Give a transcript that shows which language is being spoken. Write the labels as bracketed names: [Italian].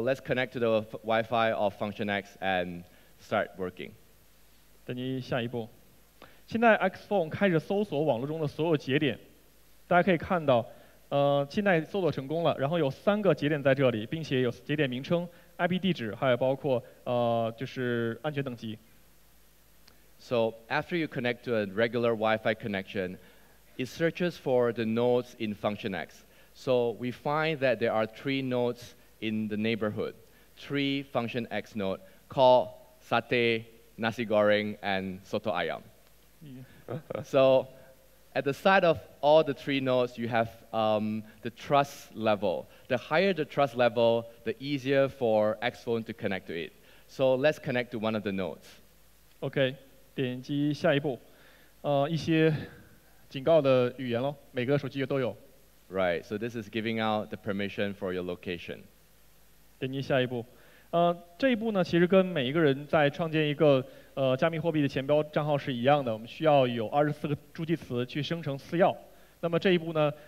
[English] let's connect to the WiFi of Function X and start working. [Chinese] 等你下一步。现在 XPhone 开始搜索网络中的所有节点。大家可以看到，现在搜索成功了，然后有三个节点在这里，并且有节点名称。 IP 地址，还有包括安全等级。So [English] after you connect to a regular Wi-Fi connection, it searches for the nodes in Function X. So we find that there are three nodes in the neighborhood, three Function X node called Satay, Nasi Goreng, and Soto Ayam. So at the side of all the three nodes, you have the trust level. The higher the trust level, the easier for XPhone to connect to it. So let's connect to one of the nodes. [Chinese] Okay, 点击下一步，一些警告的语言咯，每个手机都有。 [English] Right, so this is giving out the permission for your location. [Chinese] 点击下一步，这一步呢，其实跟每一个人在创建一个加密货币的钱包账号是一样的，我们需要有24个助记词去生成私钥。那么这一步呢？